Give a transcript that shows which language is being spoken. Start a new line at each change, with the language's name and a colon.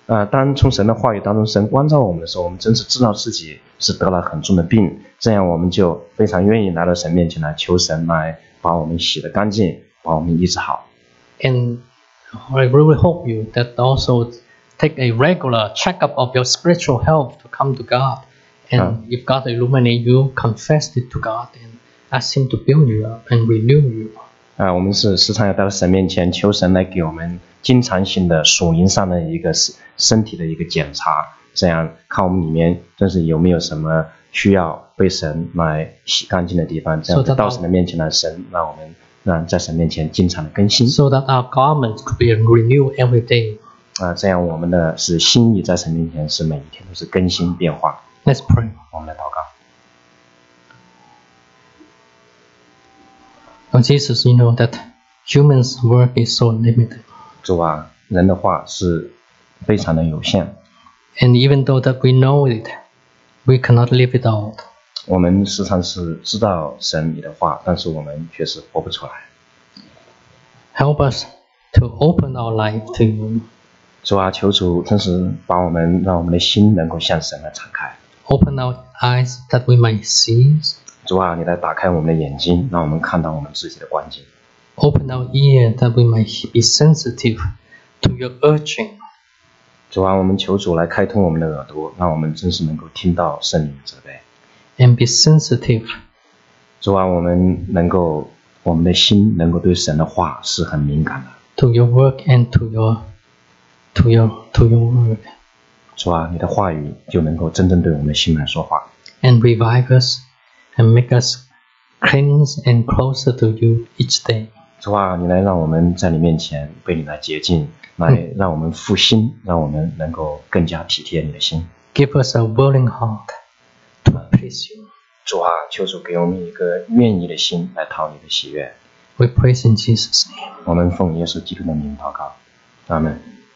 Chinese: 当从神的话语当中神光照我们的时候，我们真是知道自己是得了很重的病，这样我们就非常愿意来到神面前来求神来把我们洗得干净，把我们医治好。
English: And I really hope you that also take a regular checkup of your spiritual health to come to God. And if God illuminates you, confess it to God and ask him to build you up and renew you.
Chinese: 我们是时常要到神面前求神来给我们经常性的属灵上的一个身体的一个检查。这样看我们里面真是有没有什么需要被神来洗干净的地方，这样就到神的面前来，神让我们在神面前经常的更新。
English: So that our garments could be renewed every day.
Chinese: 这样我们的是心意在神面前是每一天都是更新变化。
English: Let's pray.
Chinese: 我们来祷告。
English: Oh, Jesus, you know that human's work is so limited.
Chinese: 主啊，人的话是非常的有限。
English: And even though that we know it, we cannot live it out.
Chinese: 我们时常是知道神你的话，但是我们却是活不出来。
English: Help us to open our life to you.
Chinese: 主啊，求主真是把我们让我们的心能够向神来敞开。
English: Open our eyes that we might see.
Chinese: 主啊，你来打开我们的眼睛，让我们看到我们自己的光景。
English: Open our ear that we might be sensitive to your urging.
Chinese: 主啊，我们求主来开通我们的耳朵，让我们真是能够听到圣灵的责备。
English: And be sensitive.
Chinese: 主啊，我们能够，我们的心能够对神的话是很敏感的。
English: To your work and to your word.
Chinese: 主啊，你的话语就能够真正对我们的心来说话。
English: And revive us and make us cleanse and closer to you each day.
Chinese: 主啊，你来让我们在你面前被你来洁净，来让我们复兴，让我们能够更加体贴你的心。
English: Give us a willing heart to please you.
Chinese: 主啊，求主给我们一个愿意的心来讨你的喜悦。
English: We praise in Jesus' name.
Chinese: 我们奉耶稣基督的名祷告。阿门。